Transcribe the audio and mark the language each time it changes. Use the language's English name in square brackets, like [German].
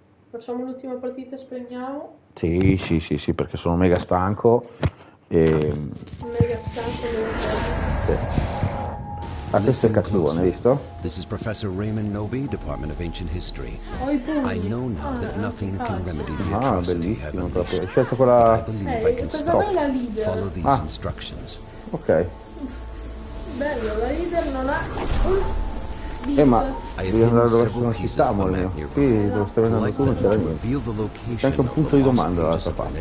[Italian] Facciamo l'ultima partita e spegniamo? Sì, perché sono mega stanco. E... mega stanco non è. Ah, questo è cattivo, hai visto? [English] This is Professor Raymond Nobe, Department of Ancient History. I know now that nothing can remedy the atrocity you have unleashed. [Italian] Ah, bellissimo, proprio. Certo, quella... Ehi, hey, questa dov'è la leader? [English] Follow these instructions. Ok. [Italian] Bello, la leader non ha... ma devi andare dove sono chi sta, amore mio. Qui dove stai andando tu non c'era niente. C'è anche un punto di domanda dall'altra parte.